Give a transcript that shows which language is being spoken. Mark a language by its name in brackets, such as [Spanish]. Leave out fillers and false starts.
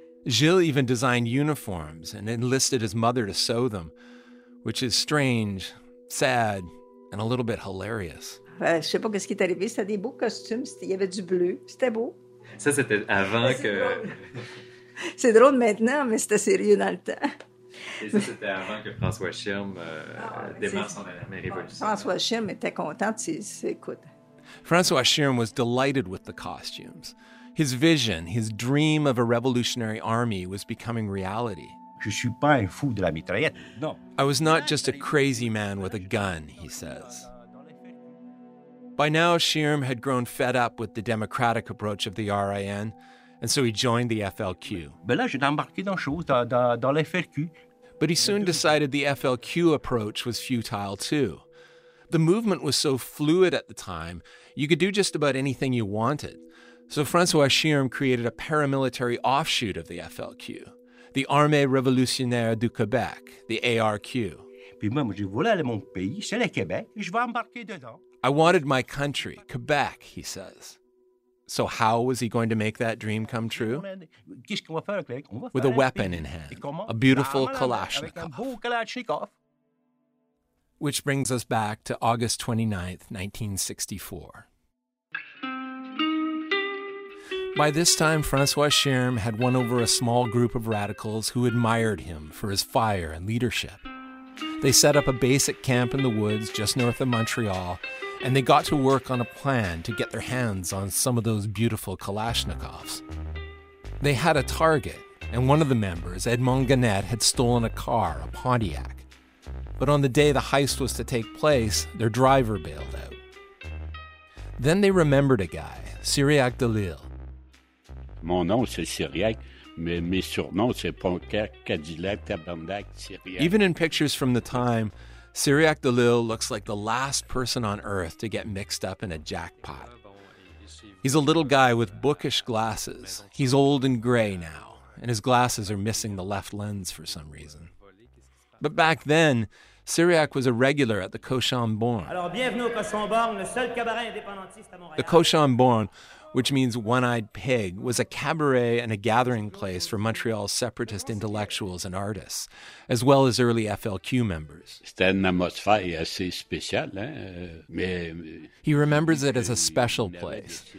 [English] Gilles even designed uniforms and enlisted his mother to sew them, which is strange, sad, and a little bit hilarious. [French] Je ne sais pas ce qui est arrivé. C'était des beaux costumes. Il y avait du bleu. C'était beau. Ça, c'était avant que... C'est drôle maintenant, mais c'était sérieux dans le temps. Et ça, c'était avant que François Schirm démarre son armée révolutionnaire. François Schirm était content. Écoute. [English] François Schirm was delighted with the costumes. His vision, his dream of a revolutionary army was becoming reality. [French] Je ne suis pas un fou de la mitraillette. Non. [English] I was not just a crazy man with a gun, he says. By now, Schirm had grown fed up with the democratic approach of the RIN, and so he joined the FLQ. [French] Mais là, j'ai embarqué dans chose, dans l'FLQ. [English] But he soon decided the FLQ approach was futile, too. The movement was so fluid at the time, you could do just about anything you wanted. So François Schirm created a paramilitary offshoot of the FLQ, the Armée Révolutionnaire du Québec, the ARQ. [French] Puis moi, je voulais aller mon pays, c'est le Québec, et je vais embarquer dedans. [English] I wanted my country, Quebec, he says. So how was he going to make that dream come true? With a weapon in hand, a beautiful Kalashnikov. Which brings us back to August 29th, 1964. By this time, François Schirm had won over a small group of radicals who admired him for his fire and leadership. They set up a basic camp in the woods just north of Montreal, and they got to work on a plan to get their hands on some of those beautiful Kalashnikovs. They had a target, and one of the members, Edmond Ganet, had stolen a car, a Pontiac. But on the day the heist was to take place, their driver bailed out. Then they remembered a guy, Cyriac Delisle. [French] Mon nom, c'est Cyriac, mais mes surnoms, c'est Pontiac, Cadillac, Tabernac, Cyriac. [English] Even in pictures from the time, Cyriac Delisle looks like the last person on earth to get mixed up in a jackpot. He's a little guy with bookish glasses. He's old and gray now, and his glasses are missing the left lens for some reason. But back then, Cyriac was a regular at the Cochon Borne. [French] Alors, bienvenue au Cochon Borne, le seul cabaret indépendantiste à Montréal. [English] The Cochon Borne, which means one-eyed pig, was a cabaret and a gathering place for Montreal's separatist intellectuals and artists, as well as early FLQ members. [French] C'était une atmosphère assez spéciale, hein? Mais... [English] He remembers it as a special place.